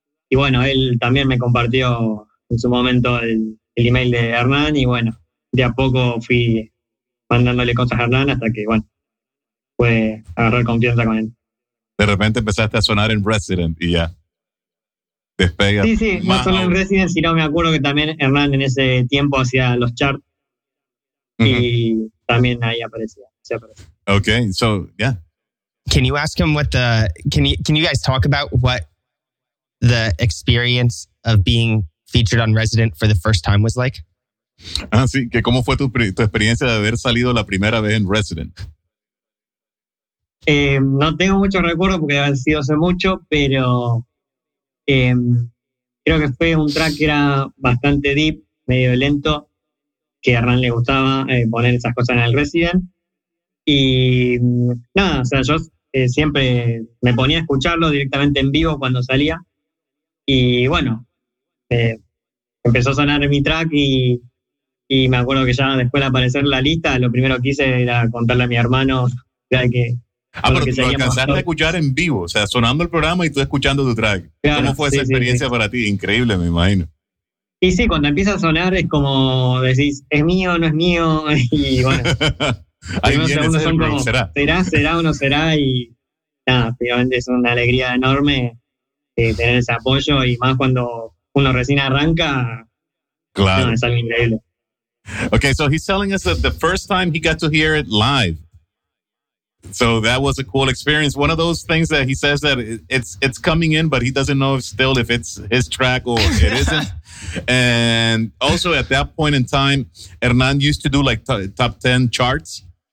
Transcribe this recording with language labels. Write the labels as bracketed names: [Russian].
[Spanish] Y bueno, él también me compartió en su momento el email de Hernán y bueno, de a poco fui mandándole cosas a Hernán hasta que, bueno, pude agarrar confianza con él. De repente empezaste a sonar en Resident y ya, despega. Sí, no solo en Resident, sino me acuerdo que también Hernán en ese tiempo hacía los charts y también ahí aparecía. [English] Okay, so yeah. Can you ask him can you guys talk about what the experience of being featured on Resident for the first time was like? [Spanish] Ah, sí, que cómo fue tu experiencia de haber salido la primera vez en Resident. No tengo mucho recuerdo porque ha sido hace mucho, pero creo que fue un track que era bastante deep, medio lento, que a Hernán le gustaba poner esas cosas en el Resident. Y nada, o sea, yo siempre me ponía a escucharlo directamente en vivo cuando salía. Y bueno, empezó a sonar mi track y me acuerdo que ya después de aparecer la lista, lo primero que hice era contarle a mi hermano. Pero lo alcanzaste a escuchar en vivo, o sea, sonando el programa y tú escuchando tu track. Claro, ¿cómo fue esa experiencia para ti? Increíble, me imagino. Y sí, cuando empieza a sonar es como decís, ¿es mío o no es mío? Y bueno... Ahí viene ese como, será o no será, y nada, finalmente es una alegría enorme tener ese apoyo, y más cuando uno recién arranca. Claro. Es algo increíble. [English] Okay, so he's telling us that the first time he got to hear it live, so that was a cool experience. One of those things that he says that it's coming in, but he doesn't know still if it's his track or it isn't. And also at that point in time, Hernán used to do like top 10 charts.